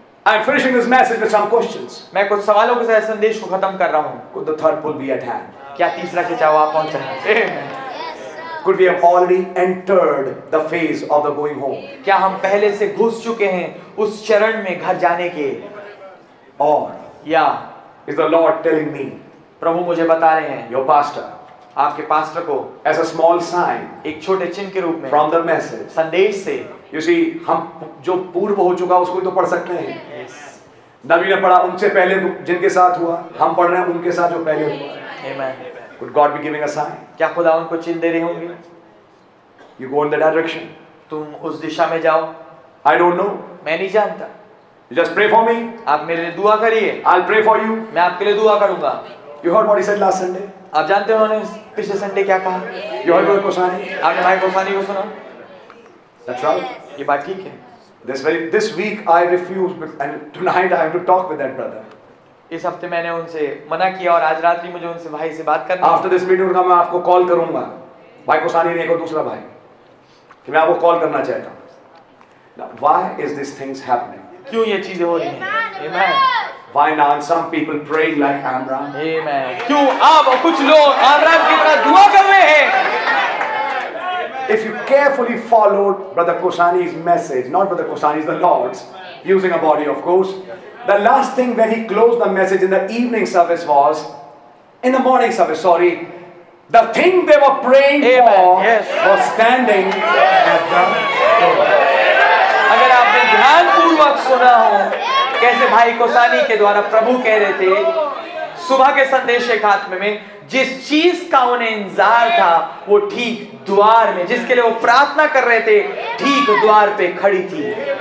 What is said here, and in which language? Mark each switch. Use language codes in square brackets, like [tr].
[en] I'm finishing this message with some questions. [hi] मैं कुछ सवालों के साथ संदेश को खत्म कर रहा हूँ. [en] Could the third pull be at hand? [hi] क्या तीसरा खिंचाव आ पहुँचा है? [en] Could we have already entered the phase of the going home? [hi] क्या हम पहले से घुस चुके हैं उस चरण में घर जाने के? [en] Or [hi] या [en] is the Lord telling me? [hi] प्रभु मुझे बता रहे हैं. [en] Your pastor. [hi] आपके पास्टर को. [en] As a small sign. [hi] एक छोटे चिन्ह के रूप में. [en] From the message. [hi] संदेश से. [en] You see, [hi] हम जो पूर्व हो चुका उसको तो पढ़ सकते हैं. [en] Yes. [hi] नबी ने पढ़ा उनसे पहले जिनके साथ हुआ, हम पढ़ रहे हैं उनके साथ जो पहले हुआ. [en] Amen. Could God be giving a sign? [hi] क्या खुदा उनको चिन्ह दे रहे होंगे? [en] You go in the direction. [hi] तुम उस दिशा में जाओ. [en] I don't know. [hi] मैं नहीं जानता. [en] You just pray for me. [hi] आप मेरे लिए दुआ करिए. [en] I'll pray for you. [hi] मैं आपके लिए दुआ करूंगा. [en] You heard what he said last Sunday? [hi] आप जानते हो उन्होंने पिछले संडे क्या कहा? [en] You heard Brother Kosani? [hi] आपने भाई कोसानी को सुना? [en] That's right. [hi] ये बात ठीक है. [en] This week I refused and tonight I have to talk with that brother. [hi] इस हफ्ते मैंने उनसे मना किया और आज रात्रि मुझे उनसे भाई से बात करना है. [en] After this meeting [hi] का मैं आपको कॉल करूंगा. भाई कोसानी ने एक और दूसरा भाई कि मैं आपको कॉल करना चाहता हूँ. [en] Why is these things happening? [hi] क्यों ये चीजें हो रही हैं? [en] Amen. Why not some people praying like Amram? Amen. [hi] क्यों आप कुछ लोग Amram की तरह दुआ कर रहे हैं? [en] If you carefully followed Brother Kosani's message, not Brother Kosani's, the Lord's, using a body of course, the last thing when he closed the message in the evening service was, in the morning service, sorry, the thing they were praying Amen. For yes. was standing at the door. [hi] अगर आपने ध्यान पूर्वक सुना हो कैसे भाई कोसानी के द्वारा प्रभु कह रहे थे सुबह के संदेश के खात्मे में जिस चीज का उन्हें इंतजार था वो ठीक द्वार में जिसके लिए वो प्रार्थना कर रहे थे ठीक द्वार पे खड़ी थी.